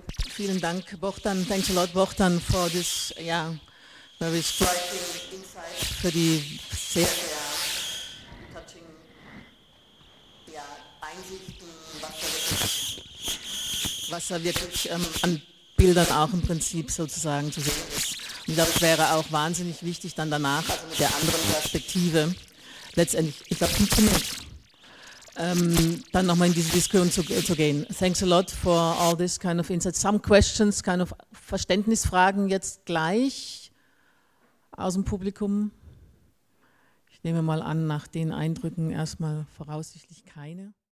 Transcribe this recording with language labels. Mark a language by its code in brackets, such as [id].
[de] Vielen Dank, Bohdan. [en] Thanks a lot, Bohdan, for this, yeah, very striking insight, for the [de] sehr, sehr [en] touching, [de] yeah, Einsichten, was er wirklich an Bildern auch im Prinzip sozusagen zu sehen ist. Und das wäre auch wahnsinnig wichtig, dann danach, also mit der anderen Perspektive, letztendlich, ich glaube, ein Moment, dann nochmal in diese Diskussion zu gehen. [en] Thanks a lot for all this kind of insights. Some questions, kind of [de] Verständnisfragen jetzt gleich aus dem Publikum. Ich nehme mal an, nach den Eindrücken erstmal voraussichtlich keine.